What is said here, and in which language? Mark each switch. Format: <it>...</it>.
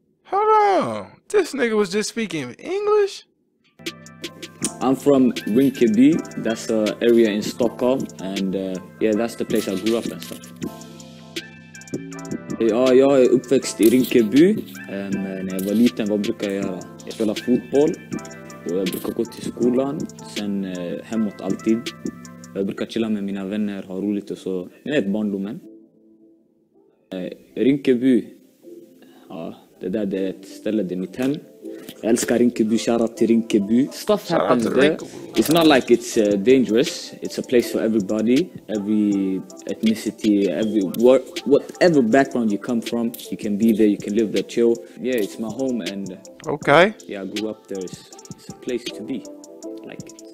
<en>Hold on, this nigga was just speaking English. I'm from Rinkeby. That's an area in Stockholm, and yeah, that's the place I grew up and stuff.</en> <sv>Jag är uppväxt I Rinkeby. När jag var liten, vad brukade jag göra? Jag spelade fotboll. Och jag brukar gå till skolan, sen hemåt alltid. Jag brukar chilla med mina vänner, ha roligt och så. Det är barndomen. Rinkeby. Ja, det där det är ett ställe, det är mitt hem. Jag älskar Rinkeby, shout out till Rinkeby.</sv> <en>Stuff happens there. It's not like it's dangerous. It's a place for everybody, every ethnicity, every work, whatever background you come from, you can be there, you can live there, chill. Yeah, it's my home and okay. Yeah, I grew up there. It's a place to be. Like it.</en>